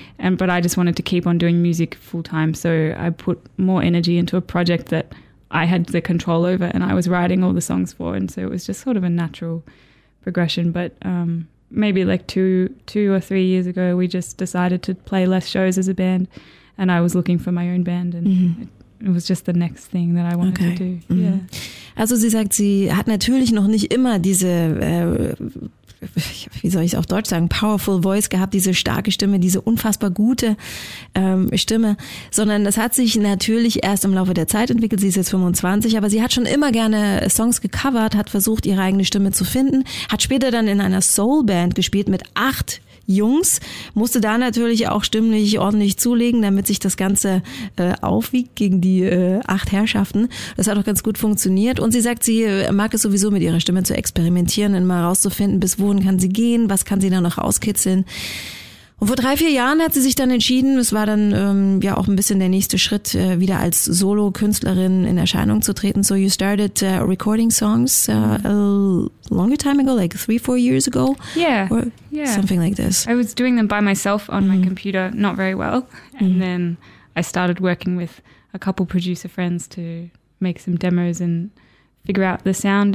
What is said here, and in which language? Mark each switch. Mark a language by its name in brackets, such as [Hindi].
[English] But I just wanted to keep on doing music full time. So I put more energy into a project that I had the control over and I was writing all the songs for. And so it was just sort of a natural progression. But maybe like two or three years ago, we just decided to play less shows as a band. And I was looking for my own band and it was just the next thing that I wanted to do. Mm-hmm. Yeah. [German] Also sie sagt, sie hat natürlich noch nicht immer diese, wie soll ich es auf Deutsch sagen, [English] powerful voice [German] gehabt, diese starke Stimme, diese unfassbar gute Stimme, sondern das hat sich natürlich erst im Laufe der Zeit entwickelt. Sie ist jetzt 25, aber sie hat schon immer gerne Songs gecovert, hat versucht, ihre eigene Stimme zu finden, hat später dann in einer Soulband gespielt mit 8 Jungs, musste da natürlich auch stimmlich ordentlich zulegen, damit sich das Ganze aufwiegt gegen die 8 Herrschaften. Das hat auch ganz gut funktioniert. Und sie sagt, sie mag es sowieso mit ihrer Stimme zu experimentieren und mal rauszufinden, bis wohin kann sie gehen, was kann sie da noch auskitzeln. Und vor 3-4 Jahren hat sie sich dann entschieden, es war dann auch ein bisschen der nächste Schritt, wieder als Solo-Künstlerin in Erscheinung zu treten. [English] So you started recording songs a longer time ago, like 3-4 years ago? Yeah. Or something like this. I was doing them by myself on my computer, not very well. And then I started working with a couple producer friends to make some demos and figure out the sound.